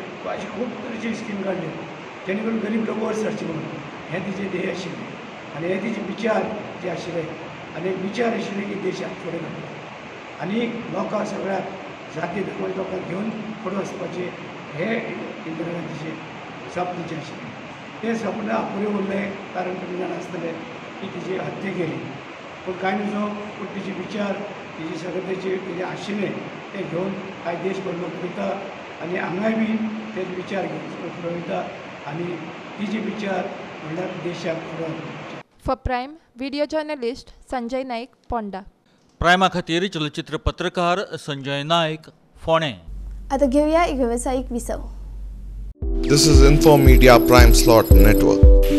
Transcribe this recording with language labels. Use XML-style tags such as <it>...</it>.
<kok>अशे खूब तरेची स्कीम काडल्यो जेणे करून गरीब लोक वयर सरचे म्हणून हें तिचें ध्येय आशिल्लें आनी हे तिचे विचार जे आशिल्ले आनी विचार आशिल्ले की देशाक फुडें घालपाक आनी लोकांक सगळ्याक जाती धर्मा लोकांक घेवन फुडें वचपाचें हे इंदिरा गांधीचें स्वप्न जें आशिल्लें तें सपन अपुरे उरलें कारण तुमी जाणा आसतलें की तिची हत्या केली पूण कांय नजो पूण तिचे विचार तिचे सगळे तेचे तिचें आशिल्ले ते घेवन आयज देश भर लोक पळयता आनी हांगाय बीन ते विचार घेवन पळयता आनी तिचे विचार म्हणल्यार देशाक फुडें.</kok> <en>For Prime video journalist Sanjay Naik, Ponda.</en> <kok>प्रायमा खातीर चलचित्र पत्रकार संजय नायक, फोणे. आता घेऊया एक व्यावसायिक विसव.</kok> <en>This is InfoMedia Prime Slot Network.</en>